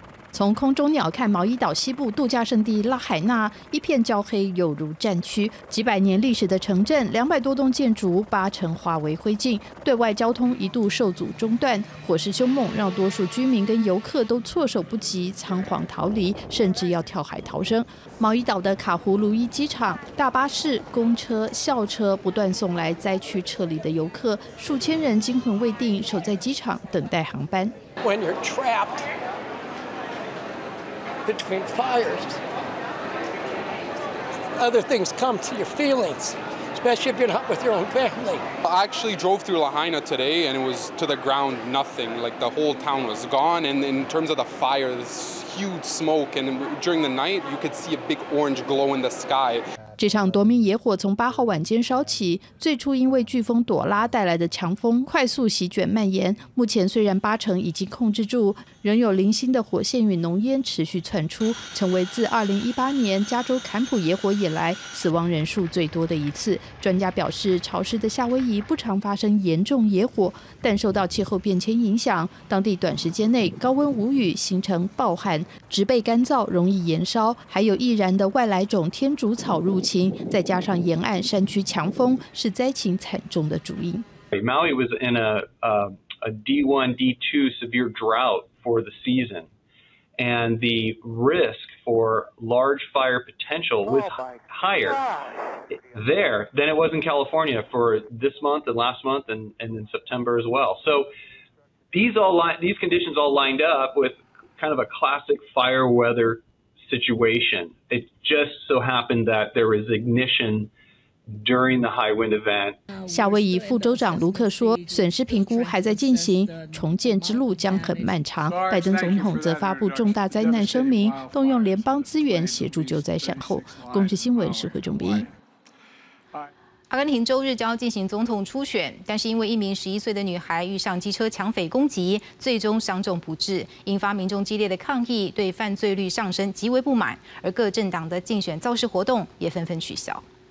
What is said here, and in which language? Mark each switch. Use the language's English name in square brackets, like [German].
[Chinese] 从空中鸟看毛伊岛西部度假胜地拉海纳，一片焦黑犹如战区，几百年历史的城镇200多栋建筑八成化为灰烬，对外交通一度受阻中断，火势凶猛让多数居民跟游客都措手不及，仓皇逃离，甚至要跳海逃生。毛伊岛的卡胡卢伊机场大巴士、公车、校车不断送来灾区撤离的游客，数千人惊魂未定，守在机场等待航班。 [English] When you're trappedBetween fires, other things come to your feelings, especially if you're not with your own family. I actually drove through Lahaina today, and it was to the ground, nothing. Like the whole town was gone. And in terms of the fire, this huge smoke, and during the night, you could see a big orange glow in the sky. [Chinese] 这场夺命野火从8号晚间烧起，最初因为飓风朵拉带来的强风快速席卷蔓延，目前虽然八成已经控制住，仍有零星的火线与浓烟持续窜出，成为自2018年加州坎普野火以来死亡人数最多的一次。专家表示，潮湿的夏威夷不常发生严重野火，但受到气候变迁影响，当地短时间内高温无雨形成暴旱，植被干燥容易燃烧，还有易燃的外来种天竺草入，再加上沿岸山区强风，是灾情惨重的主因。 [English] Maui was in a D1, D2 severe drought for the season, and the risk for large fire potential was higher there than it was in California for this month and last month and in September as well. So these conditions all lined up with kind of a classic fire weather. Situation. It just so happened that there was ignition during the high wind event. [Chinese] 夏威夷副州长卢克说，损失评估还在进行，重建之路将很漫长。拜登总统则发布重大灾难声明，动用联邦资源协助救灾善后。公视新闻是汇总编译。阿根廷周日将要进行总统初选，但是因为一名11岁的女孩遇上机车抢匪攻击，最终伤重不治，引发民众激烈的抗议，对犯罪率上升极为不满，而各政党的竞选造势活动也纷纷取消。